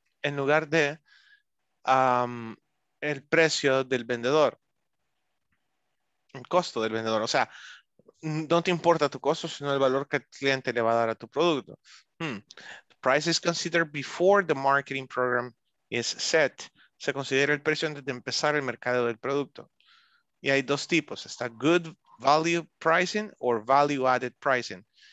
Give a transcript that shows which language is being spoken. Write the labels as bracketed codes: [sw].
[es] En lugar de el precio del vendedor, el costo del vendedor, o sea, no te importa tu costo, sino el valor que el cliente le va a dar a tu producto. [en] The price is considered before the marketing program is set. [es] Se considera el precio antes de empezar el mercado del producto. Y hay dos tipos. Está good value pricing o value added pricing.